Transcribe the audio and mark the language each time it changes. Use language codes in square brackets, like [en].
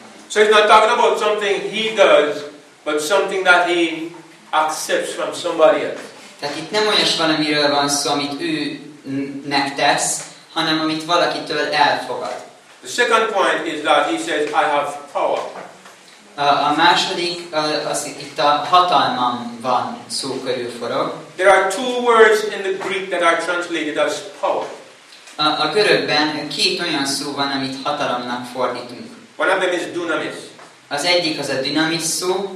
[en] So he's not talking about something he does, but something that he accepts from somebody else. [hu] Tehát itt nem olyas valamiről van szó, amit ő megtesz, hanem amit valakitől elfogad. [en] The second point is that he says, I have power. [hu] A második, az itt a hatalmam van szó körül forog. [en] There are two words in the Greek that are translated as power. [hu] A görögben két olyan szó van, amit hatalomnak fordítunk. [en] One of them is dynamis. [hu] Az egyik az a dynamis szó.